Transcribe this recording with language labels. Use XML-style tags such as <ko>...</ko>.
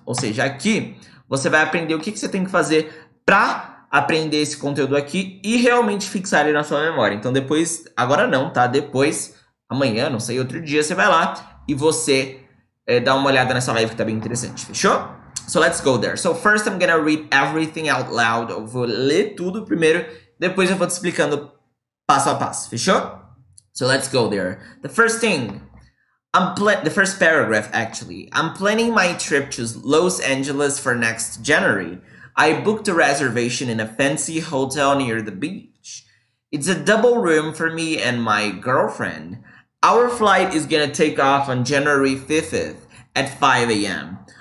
<pt>Ou seja, aqui você vai aprender o que que você tem que fazer para aprender esse conteúdo aqui e realmente fixar ele na sua memória. Então depois, agora não, tá? Depois Amanhã, não sei, outro dia, você vai lá e você dá uma olhada nessa live que tá bem interessante, fechou?</pt> <en>So let's go there. So first I'm gonna read everything out loud.</en> <pt>Eu vou ler tudo primeiro, depois eu vou te explicando passo a passo, fechou?</pt> <en>So let's go there. The first thing, the first paragraph actually. I'm planning my trip to Los Angeles for next January. I booked a reservation in a fancy hotel near the beach. It's a double room for me and my girlfriend. Our flight is gonna take off on January 5th at 5 a.m.</en>